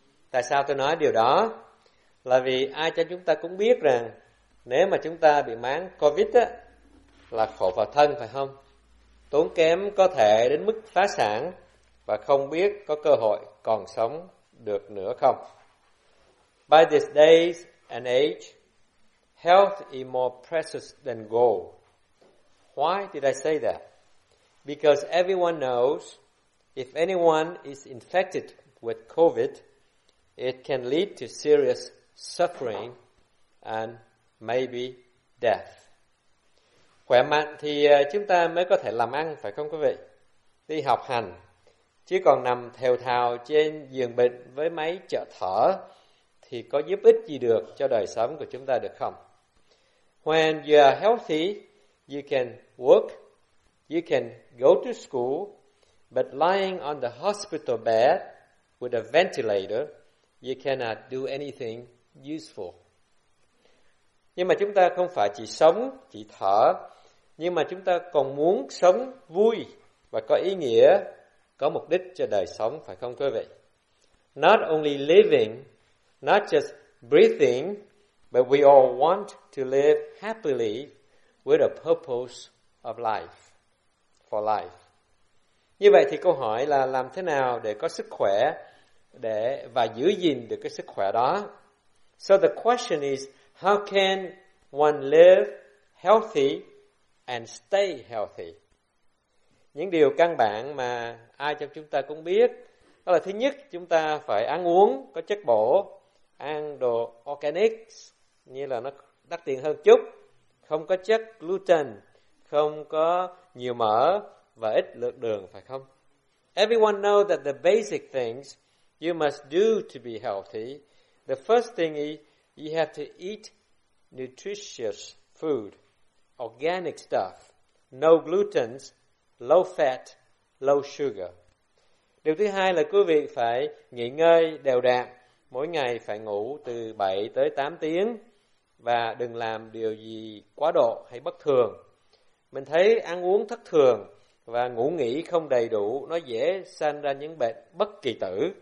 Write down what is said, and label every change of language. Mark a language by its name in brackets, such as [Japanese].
[Vietnamese] Tại sao tôi nói điều đó? Là vì ai cho chúng ta cũng biết rằng nếu mà chúng ta bị máng COVID á, là khổ vào thân phải không? Tốn kém có thể đến mức phá sản và không biết có cơ hội còn sống được nữa không? [English] By this day and age, health is more precious than gold. Why did I say that? Because everyone knows if anyone is infected with COVID, it can lead to serious suffering and maybe death. [Vietnamese] Khỏe mạnh thì chúng ta mới có thể làm ăn, phải không quý vị? Đi học hành, chứ còn nằm thều thào trên giường bệnh với máy trợ thở thì có giúp ích gì được cho đời sống của chúng ta được không? [English] When you are healthy, you can work, you can go to school, but lying on the hospital bed with a ventilator, you cannot do anything useful. [Vietnamese] Nhưng mà chúng ta không phải chỉ sống, chỉ thở, nhưng mà chúng ta còn muốn sống vui và có ý nghĩa, có mục đích cho đời sống, phải không quý vị? [English] Not only living, not just breathing, but we all want to live happily with a purpose of life. For life. [Vietnamese] Như vậy thì câu hỏi là làm thế nào để có sức khỏe để và giữ gìn được cái sức khỏe đó. [English] So the question is, how can one live healthy and stay healthy? [Vietnamese] Những điều căn bản mà ai trong chúng ta cũng biết, đó là thứ nhất, chúng ta phải ăn uống có chất bổ, ăn đồ organic, như là nó đắt tiền hơn chút, không có chất gluten, không có nhiều mỡ và ít lượng đường, phải không? [English] Everyone knows that the basic things you must do to be healthy. The first thing is you have to eat nutritious food, organic stuff, no gluten, low fat, low sugar. [Vietnamese] Điều thứ hai là quý vị phải nghỉ ngơi đều đặn, mỗi ngày phải ngủ từ 7 tới 8 tiếng và đừng làm điều gì quá độ hay bất thường. Mình thấy ăn uống thất thường và ngủ nghỉ không đầy đủ, nó dễ sanh ra những bệnh bất kỳ tử.